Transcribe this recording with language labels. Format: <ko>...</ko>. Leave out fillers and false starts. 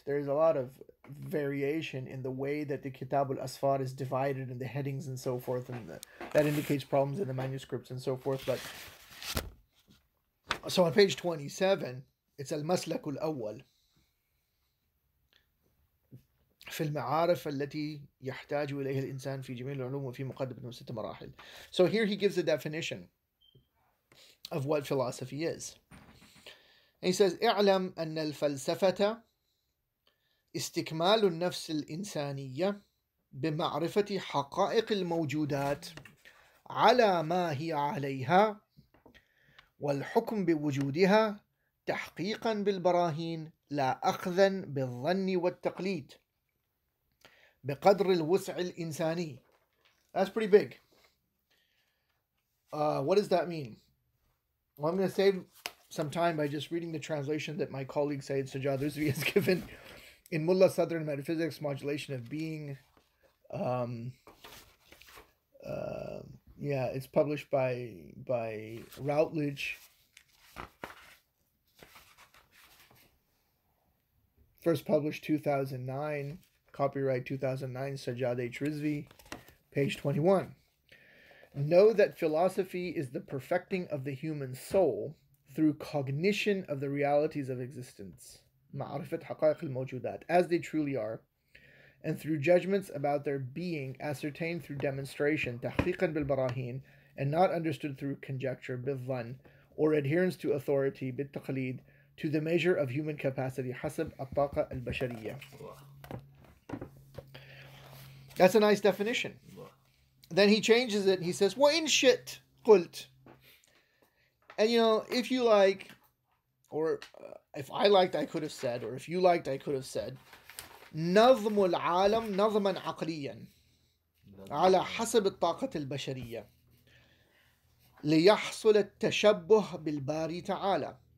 <en>There is a lot of variation in the way that the Kitab al-Asfar is divided and the headings and so forth. And that indicates problems in the manuscripts and so forth. But so on page 27, it's al-maslak al-awwal.</en> <ar>في المعارف التي يحتاج إليها الإنسان في جميع العلوم وفي مقدمة ست مراحل.</ar> <en>So here he gives a definition of what philosophy is. And he says,</en> <ar>اعلم أن الفلسفة استكمال النفس الإنسانية بمعرفة حقائق الموجودات على ما هي عليها والحكم بوجودها تحقيقا بالبراهين لا أخذا بالظن والتقليد بقدر الوسع الإنساني.</ar> <en>That's pretty big. What does that mean? Well, I'm going to save some time by just reading the translation that my colleague Sayyid Sajjad Rizvi has given in Mullah Sadr and Metaphysics, Modulation of Being. It's published by Routledge. First published 2009, copyright 2009, Sajjad H. Rizvi, page 21. Know that philosophy is the perfecting of the human soul through cognition of the realities of existence, ma'arifat haqaiq al-mawjudat, as they truly are, and through judgments about their being ascertained through demonstration, tahqiqan bil-barahin, and not understood through conjecture, bil-dhan, or adherence to authority, bil-taqleed, to the measure of human capacity, hasab al-taqa al-bashariyya. That's a nice definition. Then he changes it. He says,</en> <ar>"وَإِنْ شِتْ قُلْتْ."</ar> <en>And, you know, if you like, or if I liked, I could have said, or if you liked, I could have said,</en> <ar>نَظْمُ الْعَالَمْ نَظْمًا عَقْلِيًّا عَلَى حَسَبِ الطَّاقَةِ الْبَشَرِيَّةِ لِيَحْصُلَ التَّشَبُّهُ بِالْبَارِي تَعَالَى.</ar>